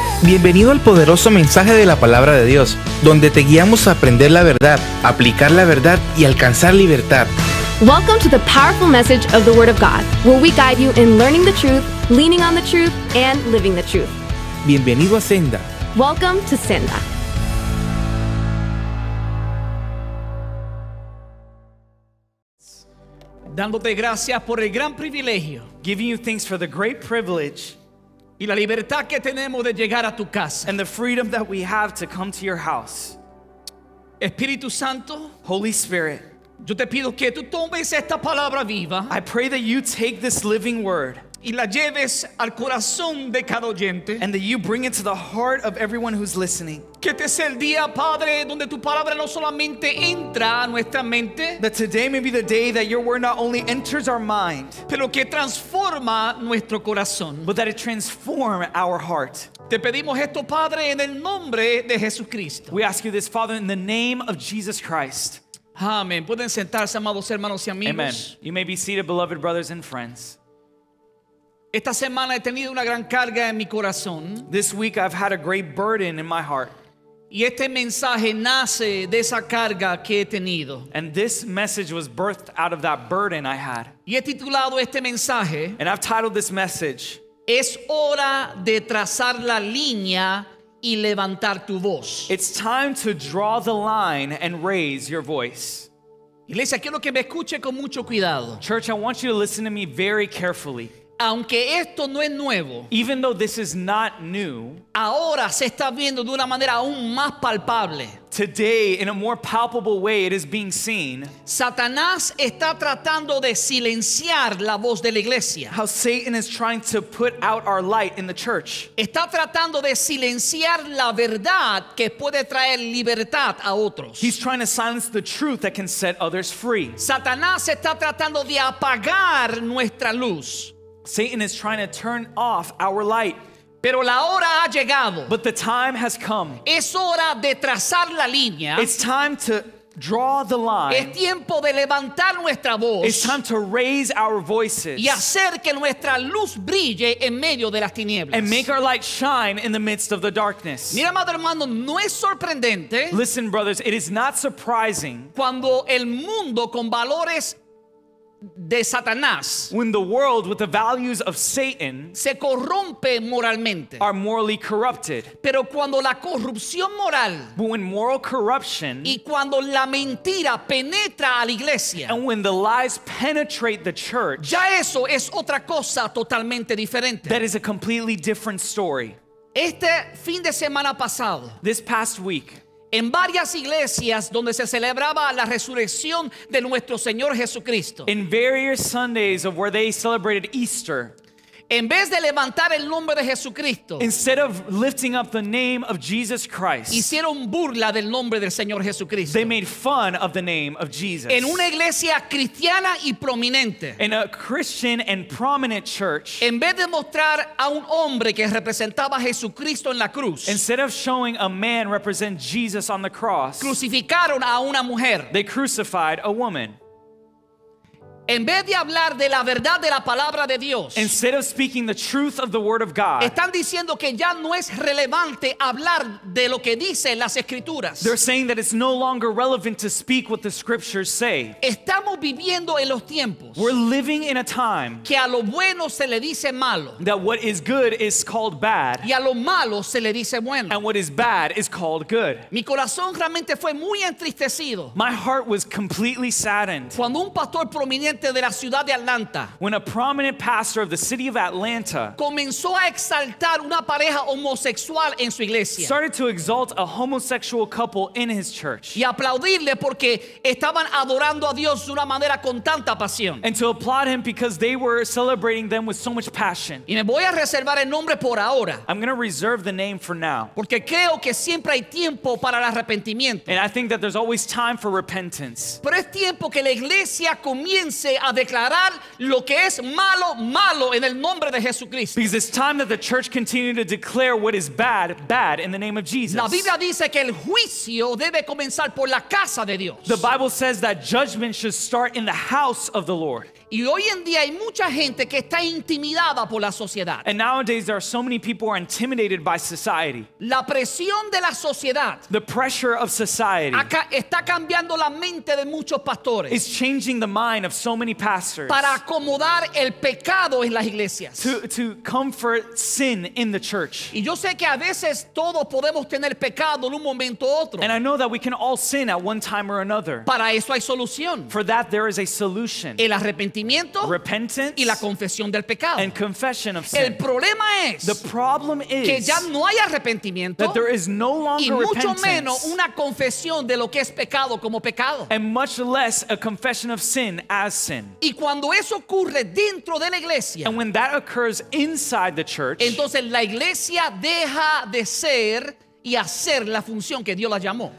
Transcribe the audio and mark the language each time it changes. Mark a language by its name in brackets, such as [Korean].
[Spanish] Bienvenido al poderoso mensaje de la palabra de Dios, donde te guiamos a aprender la verdad, aplicar la verdad y alcanzar libertad. [English] Welcome to the powerful message of the Word of God, where we guide you in learning the truth, leaning on the truth, and living the truth. [Spanish] Bienvenido a Senda. [English] Welcome to Senda. [Spanish] Dándote gracias por el gran privilegio. [English] Giving you thanks for the great privilege. [Spanish] Y la libertad que tenemos de llegar a tu casa. [English] And the freedom that we have to come to your house. [Spanish] Espíritu Santo. [English] Holy Spirit. [Spanish] Yo te pido que tú tomes esta palabra viva. [English] I pray that you take this living word. [Spanish] Y la lleves al corazón de cada oyente. [English] And that you bring it to the heart of everyone who's listening. [Spanish] Que este sea el día, Padre, donde tu palabra no solamente entra a nuestra mente. [English] That today may be the day that your word not only enters our mind. [Spanish] Pero que transforma nuestro corazón. [English] But that it transform our heart. [Spanish] Te pedimos esto, Padre, en el nombre de Jesucristo. [English] We ask you this, Father, in the name of Jesus Christ. [Spanish] Amen. Pueden sentarse, amados hermanos y amigos. [English] Amen. You may be seated, beloved brothers and friends. [Spanish] Esta semana he tenido una gran carga en mi corazón. [English] This week I've had a great burden in my heart. [Spanish] Y este mensaje nace de esa carga que he tenido. [English] And this message was birthed out of that burden I had. [Spanish] Y he titulado este mensaje. [English] And I've titled this message. [Spanish] Es hora de trazar la línea y levantar tu voz. [English] It's time to draw the line and raise your voice. [Spanish] Iglesia, quiero que me escuche con mucho cuidado. [English] Church, I want you to listen to me very carefully. [Spanish] Aunque esto no es nuevo, [English] even though this is not new, [Spanish] ahora se está viendo de una manera aún más palpable. [English] Today, in a more palpable way, it is being seen. [Spanish] Satanás está tratando de silenciar la voz de la iglesia. [English] How Satan is trying to put out our light in the church. [Spanish] Está tratando de silenciar la verdad que puede traer libertad a otros. [English] He's trying to silence the truth that can set others free. [Spanish] Satanás está tratando de apagar nuestra luz. [English] Satan is trying to turn off our light. [Spanish] Pero la hora ha llegado. [English] But the time has come. [Spanish] Es hora de trazar la línea. [English] It's time to draw the line. [Spanish] Es tiempo de levantar nuestra voz. [English] It's time to raise our voices. [Spanish] Y hacer que nuestra luz brille en medio de las tinieblas. [English] And make our light shine in the midst of the darkness. [Spanish] Mira, madre, hermano, no es sorprendente. [English] Listen, brothers, it is not surprising. [Spanish] Cuando el mundo con valores de Satanás, [English] when the world with the values of Satan [Spanish] se corrompe moralmente, [English] are morally corrupted. [Spanish] Pero cuando la corrupción moral, [English] but when moral corruption, [Spanish] y cuando la mentira penetra a la iglesia, [English] and when the lies penetrate the church, [Spanish] ya eso es otra cosa totalmente diferente. [English] That is a completely different story. [Spanish] Este fin de semana pasado, [English] this past week, [Spanish] en varias iglesias donde se celebraba la resurrección de nuestro Señor Jesucristo. [English] In various Sundays of where they celebrated Easter. [Spanish] En vez de levantar el nombre de Jesucristo. [English] Instead of lifting up the name of Jesus Christ. [Spanish] Hicieron burla del nombre del Señor Jesucristo. [English] They made fun of the name of Jesus. [Spanish] En una iglesia cristiana y prominente. [English] In a Christian and prominent church. [Spanish] En vez de mostrar a un hombre que representaba a Jesucristo en la cruz. [English] Instead of showing a man represent Jesus on the cross. [Spanish] Crucificaron a una mujer. [English] They crucified a woman. [Spanish] En vez de hablar de la verdad de la palabra de Dios, [English] instead of speaking the truth of the word of God, [Spanish] están diciendo que ya no es relevante hablar de lo que dice las escrituras. [English] They're saying that it's no longer relevant to speak what the scriptures say. [Spanish] Estamos viviendo en los tiempos, [English] we're living in a time, [Spanish] que a lo bueno se le dice malo, [English] that what is good is called bad, [Spanish] y a lo malo se le dice bueno, [English] and what is bad is called good. [Spanish] Mi corazón realmente fue muy entristecido. [English] My heart was completely saddened. [Spanish] Cuando un pastor prominente de la ciudad de Atlanta, [English] when a prominent pastor of the city of Atlanta [Spanish] comenzó a exaltar una pareja homosexual en su iglesia, [English] started to exalt a homosexual couple in his church, [Spanish] y aplaudirle porque estaban adorando a Dios de una manera con tanta pasión, [English] and to applaud him because they were celebrating them with so much passion. [Spanish] Y me voy a reservar el nombre por ahora. [English] I'm going to reserve the name for now. [Spanish] Porque creo que siempre hay tiempo para el arrepentimiento. [English] And I think that there's always time for repentance. [Spanish] Pero es tiempo que la iglesia comience a declarar lo que es malo, malo en el nombre de Jesucristo. [English] Because it's time that the church continue to declare what is bad, bad in the name of Jesus. [Spanish] La Biblia dice que el juicio debe comenzar por la casa de Dios. [English] The Bible says that judgment should start in the house of the Lord. [Spanish] Y hoy en día hay mucha gente que está intimidada por la sociedad. [English] And nowadays there are so many people who are intimidated by society. [Spanish] La presión de la sociedad. [English] The pressure of society. [Spanish] Acá está cambiando la mente de muchos pastores. [English] Is changing the mind of so many pastors. [Spanish] Para acomodar el pecado en las iglesias. [English] To comfort sin in the church. [Spanish] Y yo sé que a veces todos podemos tener pecado en un momento u otro. [English] And I know that we can all sin at one time or another. [Spanish] Para eso hay solución. [English] For that there is a solution. [Spanish] El arrepentimiento. [English] Repentance. [Spanish] Y la confesión del pecado. [English] And confession of sin. [Spanish] El problema es. [English] The problem is. [Spanish] Que ya no hay arrepentimiento. [English] That there is no longer repentance. [Spanish] Y mucho menos una confesión de lo que es pecado como pecado. [English] And much less a confession of sin as sin. [Spanish] Y cuando eso ocurre dentro de la iglesia. [English] And when that occurs inside the church. [Spanish] Entonces la iglesia deja de ser y hacer la función que Dios la llamó.